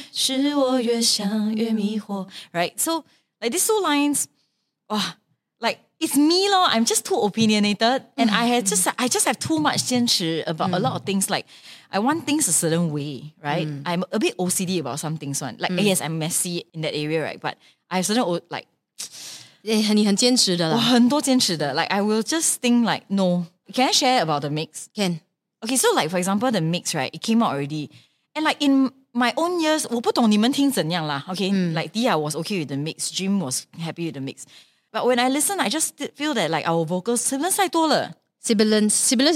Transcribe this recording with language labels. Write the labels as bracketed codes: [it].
[zh] 没错，是我坚持的太多。没错，是我越想越迷惑。 [en] Right, so like these two lines, wow, like it's me lor. I'm just too opinionated, and I just have too much 坚持 about a lot of things. Like I want things a certain way, right? I'm a bit OCD about some things. One, like yes, I'm messy in that area, right? But I have certain like, [zh] 你很坚持的啦。我很多坚持的。 [en] Like I will just think like, no. Can I share about the mix? Can. Okay, so like for example, the mix, right? It came out already. And like in my own years, [zh] 我不懂你们听怎样啦, [en] okay? Like Dia was okay with the mix. Jim was happy with the mix. But when I listen, I just feel that like our vocals, sibilance [zh] 太多了。 [en] Sibilance